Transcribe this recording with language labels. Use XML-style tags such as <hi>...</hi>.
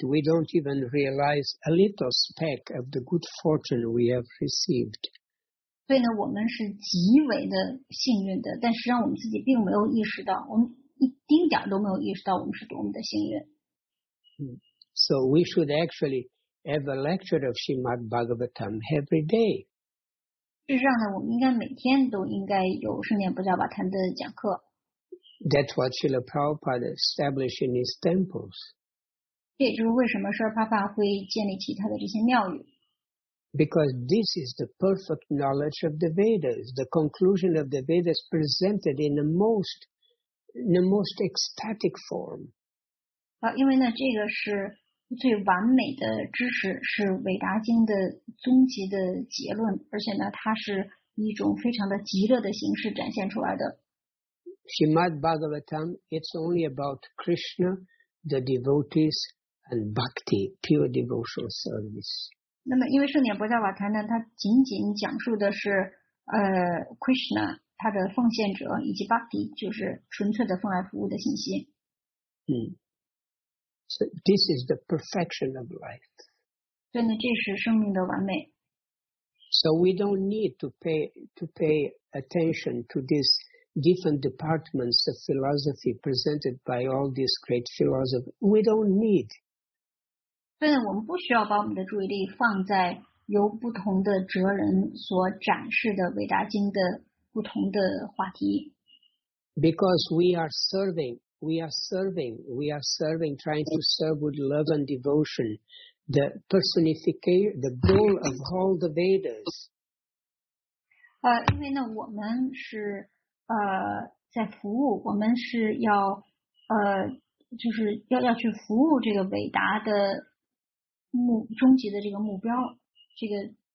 <en>We don't even realize a little speck of the good fortune we have received.</en> <zh>所以呢，我们是极为的幸运的，但实际上我们自己并没有意识到，我们一丁点都没有意识到我们是多么的幸运。</zh> <en>So we should actually have a lecture of Srimad Bhagavatam every day.</en> <zh>事实上呢，我们应该每天都应该有圣典波迦瓦坛的讲课。</zh> <en>That's what Srila Prabhupada established in his temples.</en> <zh>这也就是为什么Srila Prabhupada会建立起他的这些庙宇。</zh> <en>Because this is the perfect knowledge of the Vedas. The conclusion of the Vedas presented in the most ecstatic form.</en> <zh>因为呢，这个是最完美的知识，是伟达经的终极的结论，而且呢，它是一种非常的极乐的形式展现出来的。</zh> <en>Srimad Bhagavatam, it's only about Krishna, the devotees, and bhakti, pure devotional service.</en> <zh>那么，因为圣典波迦瓦坛呢，它仅仅讲述的是Krishna。他的奉献者以及 Bhakti 就是纯粹的奉爱服务的信息。</zh> <en>So this is the perfection of life.</en> <zh>对呢，这是生命的完美。</zh> <en>So we don't need to pay attention to these different departments of philosophy presented by all these great philosophers. We don't need.</en> <zh>所以我们不需要把我们的注意力放在由不同的哲人所展示的伟大经的不同的话题。</zh> <en>Because we are serving, trying to serve with love and devotion, the personification, the goal of all the Vedas.</en> <zh>因为呢，我们是在服务，我们是要就是要去服务这个伟大的终极的这个目标，这个。</zh>